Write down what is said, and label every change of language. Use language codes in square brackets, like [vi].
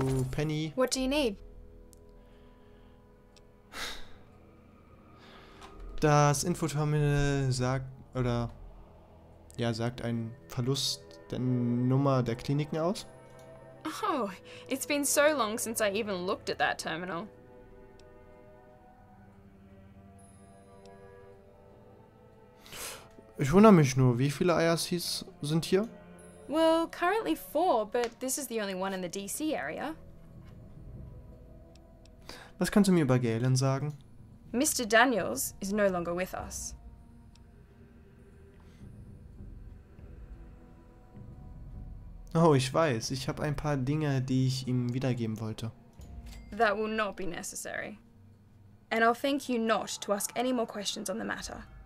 [en] Penny. What do you need? [de] Das Infoterminal sagt, oder... Ja, sagt einen Verlust der Nummer der Kliniken aus. [en] Oh, it's been so long since I even looked at that terminal. [de] Ich wundere mich nur, wie viele IRCs sind hier? [en] Well, currently four, but this is the only one in the DC area. [de] Was kannst du mir über Galen sagen? [en] Mr. Daniels is no longer with us. [de] Oh, ich weiß. Ich habe ein paar Dinge, die ich ihm wiedergeben wollte. [en] That will not be necessary. And I'll thank you not to ask any more questions on the matter.